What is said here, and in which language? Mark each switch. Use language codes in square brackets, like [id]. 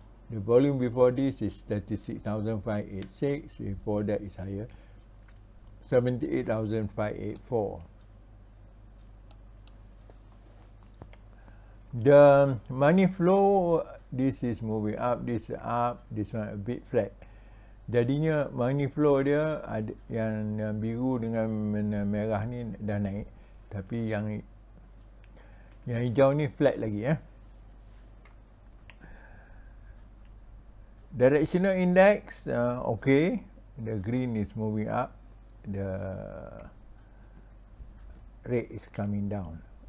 [en] The volume before this is 36,586, before that is higher, 78,584. The money flow, this is moving up, this up, this one a bit flat. [ms] Jadinya money flow dia ada yang biru dengan merah ni dah naik, tapi yang hijau ni flat lagi. [en] Directional index okay, the green is moving up, the red is coming down.